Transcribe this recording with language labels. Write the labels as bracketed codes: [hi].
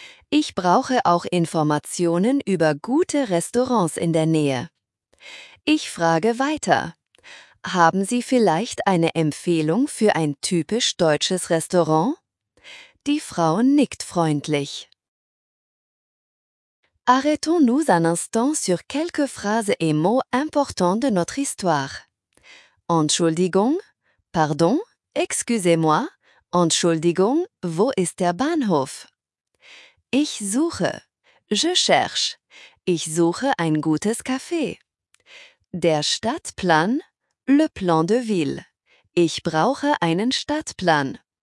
[de] Ich brauche auch Informationen über gute Restaurants in der Nähe. Ich frage weiter: Haben Sie vielleicht eine Empfehlung für ein typisch deutsches Restaurant? Die Frau nickt freundlich. [fr] Arrêtons-nous un instant sur quelques phrases et mots importants de notre histoire. [de] Entschuldigung, [fr] pardon, excusez-moi, [de] Entschuldigung, wo ist der Bahnhof? Ich suche, [fr] je cherche, [de] ich suche ein gutes Café. Der Stadtplan, [fr] le plan de ville, [de] ich brauche einen Stadtplan.